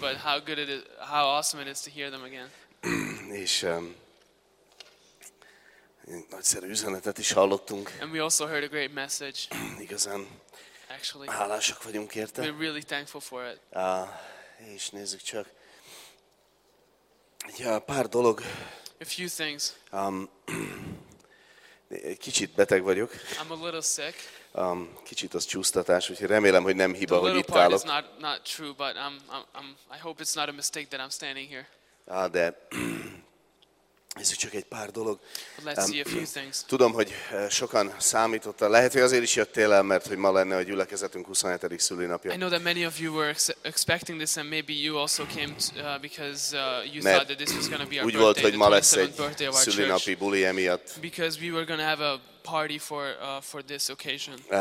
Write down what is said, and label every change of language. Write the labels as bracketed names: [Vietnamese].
[English] But how good it is, how awesome it is to hear them again. [Hungarian] És nagyszerű üzenetet is hallottunk. [English] And we also heard a great message. [Hungarian] Igazán. [English] Actually, [Hungarian] hálásak vagyunk érte. [English] We're really thankful for it. [Hungarian] És nézzük csak. Ja, pár dolog. [English] A few things. [Hungarian] Kicsit beteg vagyok. [English] I'm a little sick. [Hungarian] Kicsit az csúsztatás, úgyhogy remélem, hogy nem hiba, hogy itt állok. [English] Not true, but I hope it's not a mistake that I'm standing here. [Hungarian] De ez csak egy pár dolog. [English] Let's see a few things. [Hungarian] Tudom, hogy sokan számítottak. Lehet, hogy azért is jöttél el, mert hogy ma lenne a gyülekezetünk 27. szülinapja. [English] I know that many of you were expecting this, and maybe you also came because you thought that this was going to be our [Hungarian] úgy [English] birthday. [Hungarian] Úgy volt, hogy ma lesz egy szülinapi buli emiatt. [English] Because we were going to have a party for this occasion.